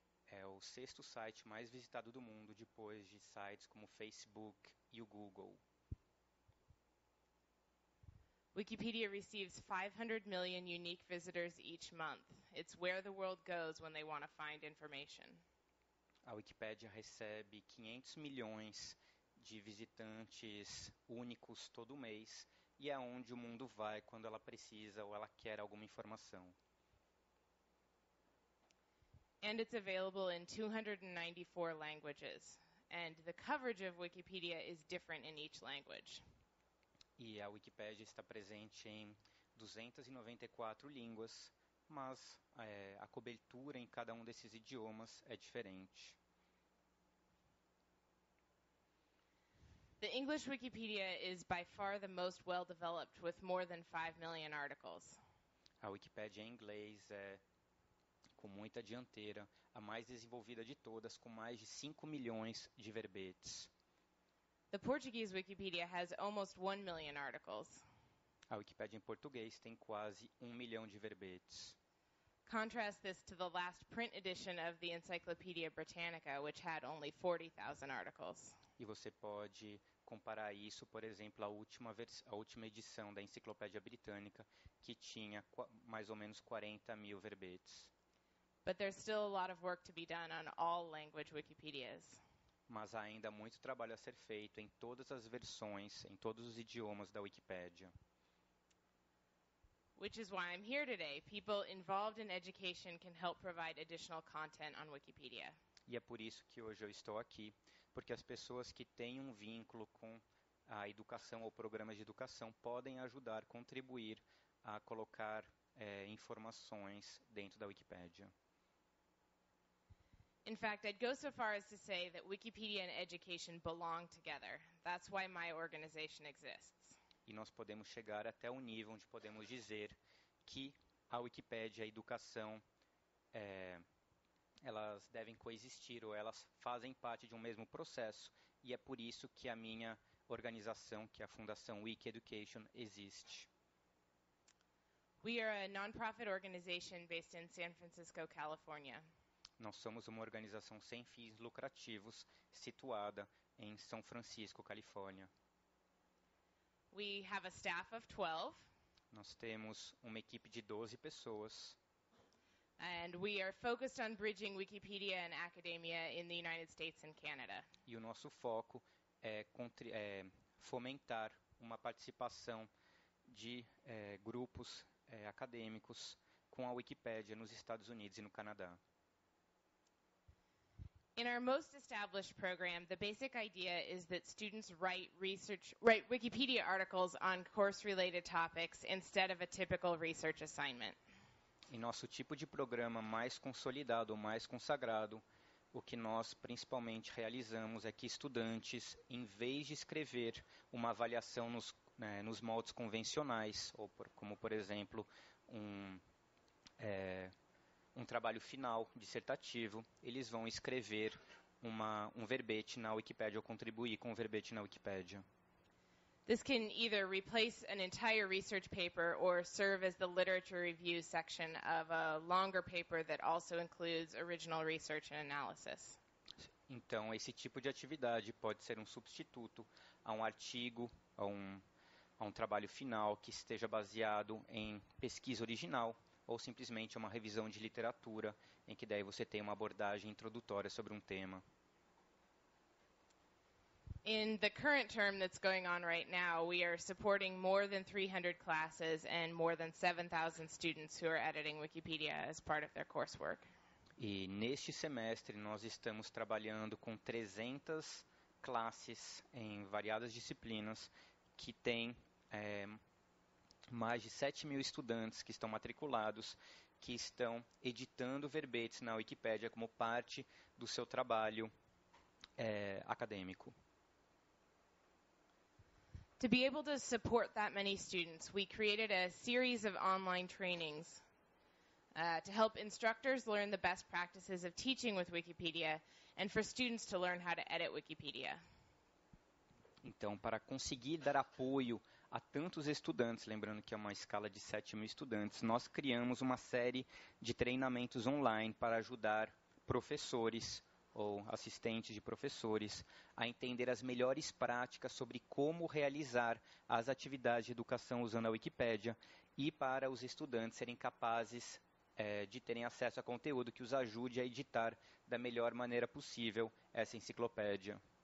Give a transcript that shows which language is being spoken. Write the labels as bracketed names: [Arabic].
[Portuguese] É o sexto site mais visitado do mundo depois de sites como Facebook e o Google. [English] Wikipedia receives 500 million unique visitors each month. It's where the world goes when they want to find information. [Portuguese] A Wikipédia recebe 500 milhões de visitantes únicos todo mês e é onde o mundo vai quando ela precisa ou ela quer alguma informação. [English] And it's available in 294 languages. And the coverage of Wikipedia is different in each language. [Portuguese] E a Wikipédia está presente em 294 línguas, mas a cobertura em cada um desses idiomas é diferente. [English] The English Wikipedia is by far the most well-developed, with more than 5 million articles. [Portuguese] A Wikipédia em inglês é com muita dianteira, a mais desenvolvida de todas, com mais de 5 milhões de verbetes. [English] The Portuguese Wikipedia has almost 1 million articles. [Portuguese] A Wikipédia em português tem quase 1 milhão de verbetes. [English] Contrast this to the last print edition of the Encyclopedia Britannica, which had only 40,000 articles. [Portuguese] E você pode comparar isso, por exemplo, à última edição da Enciclopédia Britânica, que tinha mais ou menos 40 mil verbetes. [English] But there's still a lot of work to be done on all language Wikipedias. [Portuguese] Mas há ainda muito trabalho a ser feito em todas as versões, em todos os idiomas da Wikipédia. [English] Which is why I'm here today. People involved in education can help provide additional content on Wikipedia. [Portuguese] E é por isso que hoje eu estou aqui, porque as pessoas que têm um vínculo com a educação ou programas de educação podem ajudar, contribuir a colocar informações dentro da Wikipédia. [English] In fact, I'd go so far as to say that Wikipedia and education belong together. That's why my organization exists. [Portuguese] E nós podemos chegar até o nível onde podemos dizer que a Wikipédia e a educação elas devem coexistir ou elas fazem parte de um mesmo processo, e é por isso que a minha organização, que é a Fundação Wiki Education, existe. [English] We are a non-profit organization based in San Francisco, California. [Portuguese] Nós somos uma organização sem fins lucrativos situada em São Francisco, Califórnia. [English] We have a staff of 12. [Portuguese] Nós temos uma equipe de 12 pessoas. [English] And we are focused on bridging Wikipedia and academia in the United States and Canada. [Portuguese] E o nosso foco é fomentar uma participação de grupos acadêmicos com a Wikipédia nos Estados Unidos e no Canadá. [English] In our most established program, the basic idea is that students write Wikipedia articles on course-related topics instead of a typical research assignment. [Portuguese] Em nosso tipo de programa mais consolidado, mais consagrado, o que nós principalmente realizamos é que estudantes, em vez de escrever uma avaliação nos moldes convencionais, como por exemplo um trabalho final dissertativo, eles vão escrever um verbete na Wikipédia ou contribuir com um verbete na Wikipédia. [English] This can either replace an entire research paper or serve as the literature review section of a longer paper that also includes original research and analysis. [Portuguese] Então, esse tipo de atividade pode ser um substituto a um artigo, a um trabalho final que esteja baseado em pesquisa original ou simplesmente uma revisão de literatura em que daí você tem uma abordagem introdutória sobre um tema. [English] In the current term that's going on right now, we are supporting more than 300 classes and more than 7,000 students who are editing Wikipedia as part of their coursework. [Portuguese] E neste semestre nós estamos trabalhando com 300 classes em variadas disciplinas que têm mais de 7 mil estudantes que estão matriculados, que estão editando verbetes na Wikipédia como parte do seu trabalho acadêmico. [English] To be able to support that many students, we created a series of online trainings to help instructors learn the best practices of teaching with Wikipedia and for students to learn how to edit Wikipedia. [Portuguese] Então, para conseguir dar apoio a tantos estudantes, lembrando que é uma escala de 7 mil estudantes, nós criamos uma série de treinamentos online para ajudar professores ou assistentes de professores a entender as melhores práticas sobre como realizar as atividades de educação usando a Wikipédia e para os estudantes serem capazes de terem acesso a conteúdo que os ajude a editar da melhor maneira possível essa enciclopédia.